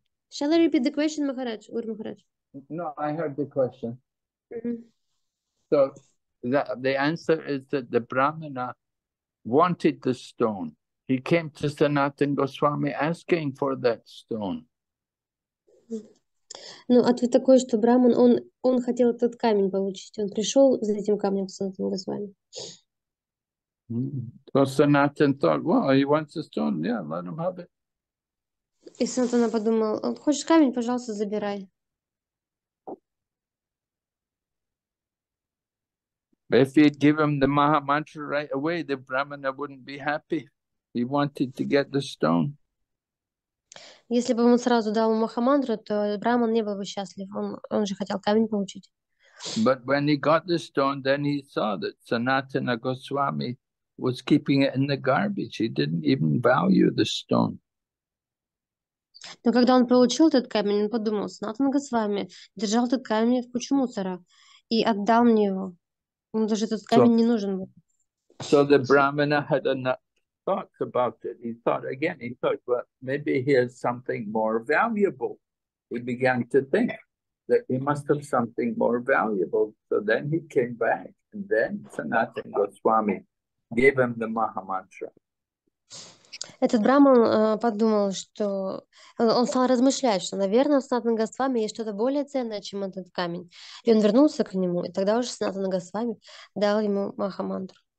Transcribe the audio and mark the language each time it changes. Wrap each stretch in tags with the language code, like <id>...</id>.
<en>Shall I repeat the question, Maharaj? Guru Maharaj? No, I heard the question. Mm-hmm. So the answer is that the Brahmana wanted the stone. He came to Sanatan Goswami asking for that stone.</en> <ru>Ну, ответ такой, что Браман, он хотел этот камень получить. Он пришел за этим камнем к Санатану Госвами.</ru> <en>Санатан thought, well, he wants a stone. Yeah, let him have it.</en> <ru>И Санатана подумал, хочешь камень, пожалуйста, забирай.</ru> <en>If he'd give him the Mahamantra right away, the Brahmana wouldn't be happy. He wanted to get the stone.</en> <ru>Если бы он сразу дал ему Махамантру, то Браман не был бы счастлив. Он же хотел камень получить.</ru> <en>But when he got the stone, then he saw that Sanatana Goswami was keeping it in the garbage. He didn't even value the stone.</en> <ru>Но когда он получил этот камень, он подумал, Санатана Госвами держал этот камень в кучу мусора и отдал мне его. Ему даже этот камень не нужен был.</ru> <en>So the Brahmana had enough. Thoughts about it. He thought again. He thought, well, maybe he has something more valuable. He began to think that he must have something more valuable. So then he came back, and then Sanatana Goswami gave him the Mahamantra.</en> <ru>Этот Браман подумал, что он стал размышлять, что, наверное, у Санатана Госвами есть что-то более ценное, чем этот камень. И он вернулся к нему, и тогда уже Санатана Госвами дал ему Махамантру.</ru>